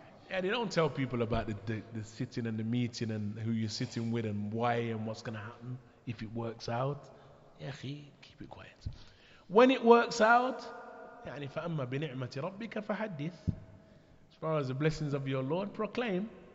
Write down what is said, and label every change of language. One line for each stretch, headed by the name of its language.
English: Yeah, they don't tell people about the sitting and the meeting and who you're sitting with and why and what's going to happen if it works out. Yeah, keep it quiet. When it works out,
Arabic: يعني فأما بنعمة ربك فحدث.
English: As far as the blessings of your Lord, proclaim.